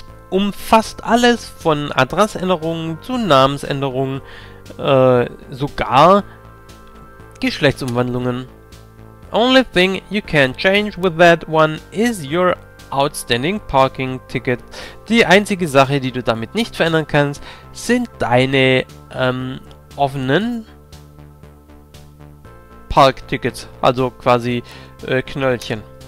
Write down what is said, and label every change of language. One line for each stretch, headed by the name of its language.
German: Umfasst alles von Adressänderungen zu Namensänderungen, sogar Geschlechtsumwandlungen.
English: Only thing you can change with that one is your outstanding parking ticket.
German: Die einzige Sache, die du damit nicht verändern kannst, sind deine offenen Parktickets, also quasi Knöllchen.